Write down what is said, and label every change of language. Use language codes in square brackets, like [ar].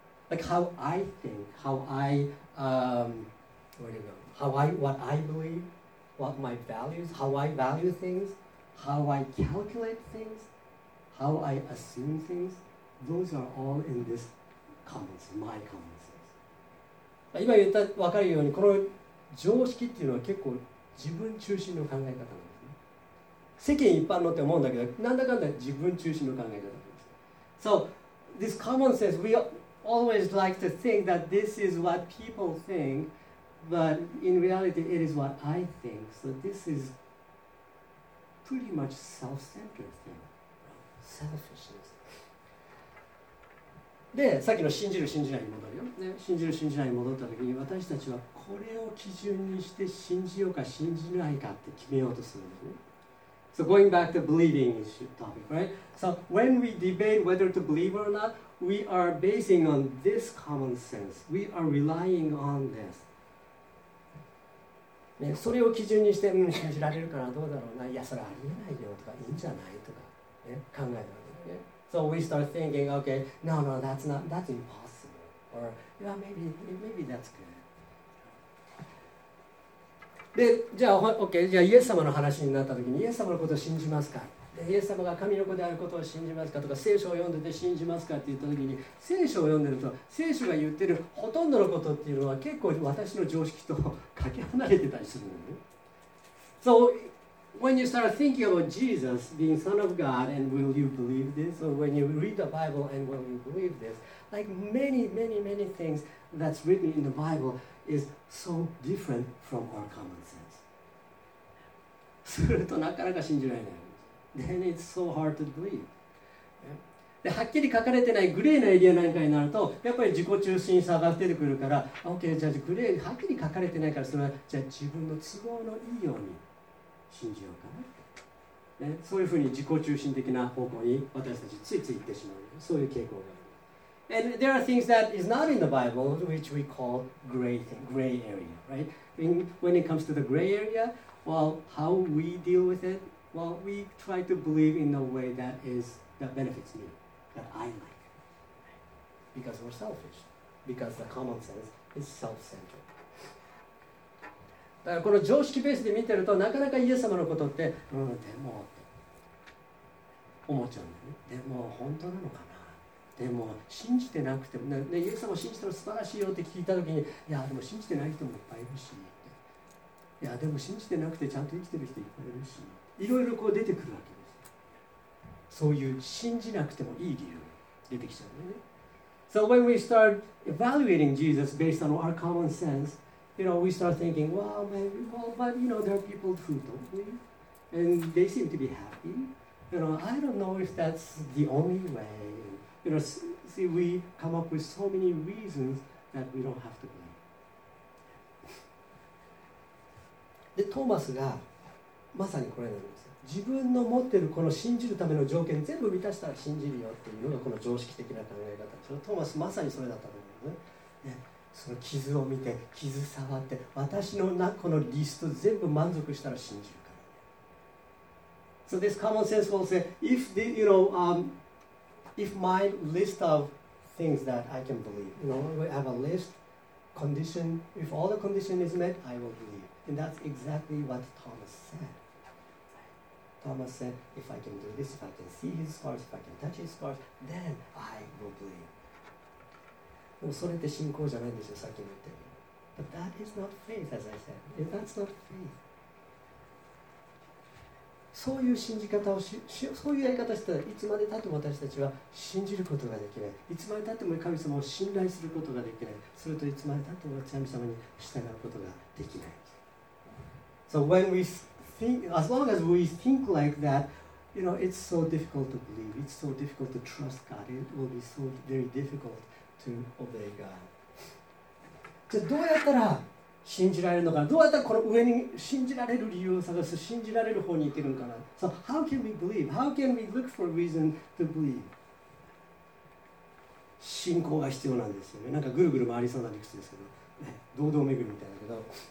[en] Like how I think, how I, what I believe, what my values, how I value things, how I calculate things, how I assume things. Those are all in this common sense, my common sense. [ja] 今言った分かるように、この常識っていうのは結構自分中心の考え方なんですね。世間一般のって思うんだけど、なんだかんだ自分中心の考え方なんです。 [en] So, this common sense, we always like to think that this is what people think, but in reality it is what I think. So this is pretty much self-centered thing. Selfishness. [ja] で、さっきの信じる信じないに戻るよ、ね、信じる信じないに戻った時に私たちはこれを基準にして信じようか信じないかって決めようとするんですね。 [en] So going back to believing issue topic, right? So when we debate whether to believe or not, we are basing on this common sense. We are relying on this. [ja] ね、それを基準にして、うん、信じられるかなどうだろうな、いや、それありえないよとか、いいんじゃないとか、ね、考えたわけですね。 [en] So we start thinking, okay, no, no, that's not, that's impossible. Or, yeah, maybe, maybe that's good. [ja] で、じゃあ、okay, じゃあ、イエス様の話になったときに、イエス様のことを信じますか、でイエス様が神の子であることを信じますかとか、聖書を読んでて信じますかって言ったときに、聖書を読んでると、聖書が言ってるほとんどのことっていうのは、結構私の常識とかけ離れてたりするのね。 [en] So,When you start thinking about Jesus being Son of God, and will you believe this? Or when you read the Bible, and will you believe this? Like many, many, many things that's written in the Bible is so different from our common sense. [ja] するとなかなか信じられない。 [en] Then it's so hard to believe. [ja] で、はっきり書かれてないグレーなエリアなんかになると、やっぱり自己中心さが出てくるから、OK、じゃあグレー、はっきり書かれてないから、それはじゃあ自分の都合のいいように。信じようかな、ね、そういうふうに自己中心的な方向に私たちついつい行ってしまう、そういう傾向がある。 [en] And there are things that is not in the Bible, which we call gray area, right? When it comes to the gray area, well, how we deal with it? Well, we try to believe in a way that is that benefits me, that I like, because we're selfish, because the common sense is self-centered. [ja] だからこの常識ベースで見てるとなかなかイエス様のことって、うん、でもって思っちゃうんだよね。でも本当なのかな、でも信じてなくても、ね、イエス様を信じたら素晴らしいよって聞いた時に、いやでも信じてない人もいっぱいいるし、いやでも信じてなくてちゃんと生きてる人いっぱいいるし、いろいろこう出てくるわけです。そういう信じなくてもいい理由出てきちゃうんだよね。 [en] So when we start evaluating Jesus based on our common senseYou know, we start thinking, well, maybe, well, but you know, there are people who don't believe, and they seem to be happy. You know, I don't know if that's the only way. You know, see, we come up with so many reasons that we don't have to believe. [ja] で、トーマスがまさにこれなんですよ。自分の持ってるこの信じるための条件全部満たしたら信じるよっていうのがこの常識的な考え方。そのトーマスまさにそれだったと思うんですね。その傷を見て、傷触って、私のこのリスト全部満足したら信じるからね。 [en] So this common sense will say, if the, you know, if my list of things that I can believe, you know, I have a list, condition, if all the condition is met, I will believe. And that's exactly what Thomas said. Thomas said, if I can do this, if I can see his scars, if I can touch his scars, then I will believe. [ja] でもそれって信仰じゃないんですよ、さっきも言ったように。 [en] But that is not faith, as I said. That's not faith. [ja] そういう信じ方をし、そういうやり方をしたら、いつまでたっても私たちは信じることができない。いつまでたっても神様を信頼することができない。するといつまでたっても神様に従うことができない。 [en] So when we think, as long as we think like that,You know, it's so difficult to believe. It's so difficult to trust God. It will be so very difficult to obey God. [ja] じゃあどうやったら信じられるのかな？どうやったらこの上に信じられる理由を探す、信じられる方に行けるのかな？ [en] So how can we believe? How can we look for reason to believe? [ja] 信仰が必要なんですよね。なんかぐるぐる回りそうな理屈ですけど、ね、堂々巡るみたいだけど。